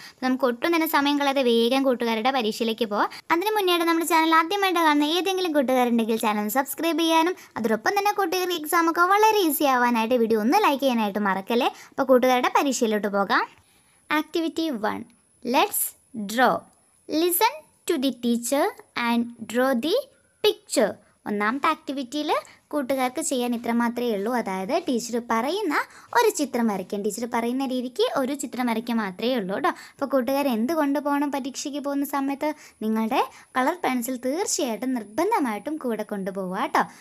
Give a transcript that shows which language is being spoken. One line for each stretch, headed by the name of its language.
Malayalam: അപ്പോൾ നമുക്ക് ഒട്ടും തന്നെ സമയം കളയാതെ വേഗം കൂട്ടുകാരുടെ പരീക്ഷയിലേക്ക് പോവാം. അതിന് മുന്നേയാണ് നമ്മുടെ ചാനൽ ആദ്യമായിട്ട് കാണുന്ന ഏതെങ്കിലും കൂട്ടുകാരുണ്ടെങ്കിൽ ചാനൽ സബ്സ്ക്രൈബ് ചെയ്യാനും അതോടൊപ്പം തന്നെ കൂട്ടുകാർ എക്സാമൊക്കെ വളരെ ഈസി ആവാനായിട്ട് വീഡിയോ ഒന്ന് ലൈക്ക് ചെയ്യാനായിട്ട് മറക്കല്ലേ. അപ്പോൾ കൂട്ടുകാരുടെ പരീക്ഷയിലോട്ട് പോകാം.
English: Activity one, let's draw. Listen to the teacher and draw the picture.
Malayalam: ഒന്നാമത്തെ ആക്ടിവിറ്റിയിൽ കൂട്ടുകാർക്ക് ചെയ്യാൻ ഇത്ര മാത്രമേ ഉള്ളൂ. അതായത് ടീച്ചർ പറയുന്ന ഒരു ചിത്രം വരയ്ക്കാം, ടീച്ചർ പറയുന്ന രീതിക്ക് ഒരു ചിത്രം വരയ്ക്കാൻ മാത്രമേ ഉള്ളൂ കേട്ടോ. അപ്പോൾ കൂട്ടുകാർ എന്ത് കൊണ്ടുപോകണം പരീക്ഷയ്ക്ക് പോകുന്ന സമയത്ത്? നിങ്ങളുടെ കളർ പെൻസിൽ തീർച്ചയായിട്ടും നിർബന്ധമായിട്ടും കൂടെ കൊണ്ടുപോകുക കേട്ടോ.